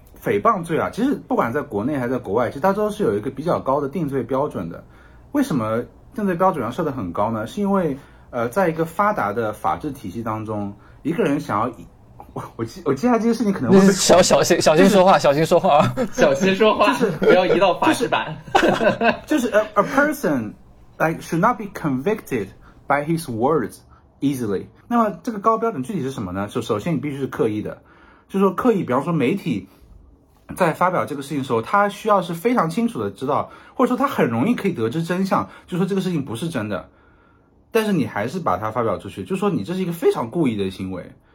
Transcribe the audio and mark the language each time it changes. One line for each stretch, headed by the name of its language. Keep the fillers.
Chinese: 诽谤罪啊，其实不管在国内还是在国外，其实它都是有一个比较高的定罪标准的。为什么定罪标准要设得很高呢？是因为，呃，在一个发达的法治体系当中，一个人想要，我我接下来这件事情可能会，小小心、就是、小心说话，小心说话啊，小心说话，不要移到法制版。
English: 就是呃 a,，a person like should not be convicted by his words easily。
Chinese: 那么这个高标准具体是什么呢？就首先你必须是刻意的，就说刻意，比方说媒体。在发表这个事情的时候，他需要是非常清楚的知道，或者说他很容易可以得知真相，就说这个事情不是真的，但是你还是把它发表出去，就说你这是一个非常故意的行为。